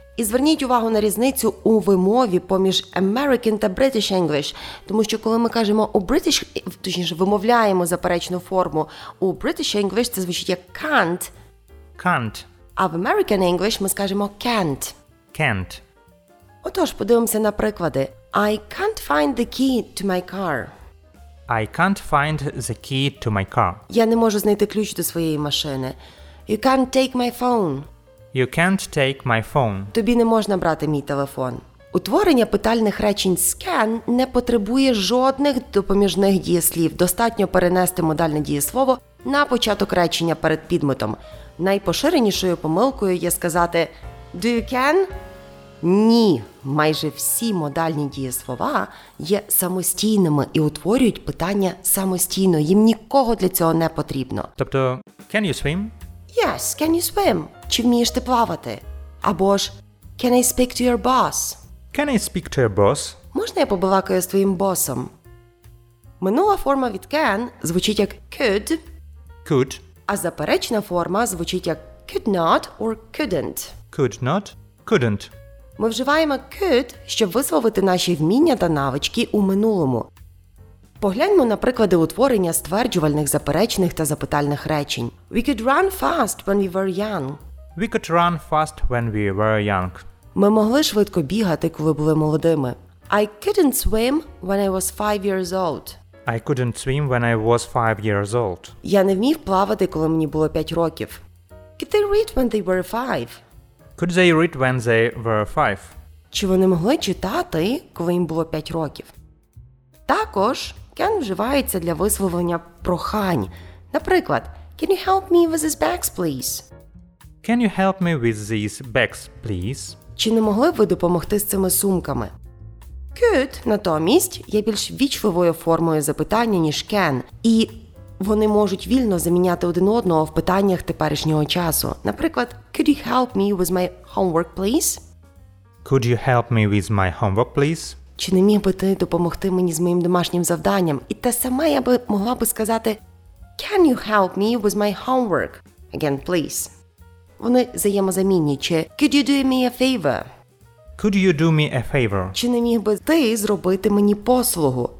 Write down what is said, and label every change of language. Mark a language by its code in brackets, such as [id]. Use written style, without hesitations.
[uk] І зверніть увагу на різницю у вимові поміж American та British English, тому що коли ми кажемо у British, точніше, вимовляємо заперечну форму, у British English це звучить як can't. [en] Can't. [uk] А в American English ми скажемо can't. [en] Can't. [uk] Отож, подивимося на приклади. [en] I can't find the key to my car. I can't find the key to my car. [uk] Я не можу знайти ключ до своєї машини. [en] You can't take my phone. You can't take my phone. [uk] Тобі не можна брати мій телефон. Утворення питальних речень з can не потребує жодних допоміжних дієслів. Достатньо перенести модальне дієслово на початок речення перед підметом. Найпоширенішою помилкою є сказати [en] Do you can? [uk] Ні. Майже всі модальні дієслова є самостійними і утворюють питання самостійно. Їм нікого для цього не потрібно. [en] Тобто, can you swim? Yes, can you swim? [uk] Чи вмієш ти плавати? [en] Або ж, can I speak to your boss? Can I speak to your boss? [uk] Можна я побалакаю з твоїм босом? Минула форма від can звучить як could. [en] Could. [uk] А заперечна форма звучить як could not or couldn't. [en] Could not, couldn't. [uk] Ми вживаємо could, щоб висловити наші вміння та навички у минулому. Погляньмо на приклади утворення стверджувальних, заперечних та запитальних речень. [en] We could run fast when we were young. We could run fast when we were young. [uk] Ми могли швидко бігати, коли були молодими. [en] I couldn't swim when I was 5 years old. I couldn't swim when I was 5 years old. [uk] Я не вмів плавати, коли мені було 5 років. [en] Could they read when they were 5? Could they read when they were 5? [uk] Чи вони могли читати, коли їм було 5 років? Також can вживається для висловлення прохань. [en] Наприклад, can you help me with these bags, please? Can you help me with these bags, please? [uk] Чи не могли б ви допомогти з цими сумками? Could, натомість, є більш ввічливою формою запитання, ніж can. І вони можуть вільно заміняти один одного в питаннях теперішнього часу. [en] Наприклад, could you help me with my homework, please? Could you help me with my homework, please? [uk] Чи не міг би ти допомогти мені з моїм домашнім завданням? І те саме я би могла би сказати [en] Can you help me with my homework? Again, please. [uk] Вони взаємозамінні. Чи [en] Could you do me a favor? Could you do me a favor? [uk] Чи не міг би ти зробити мені послугу?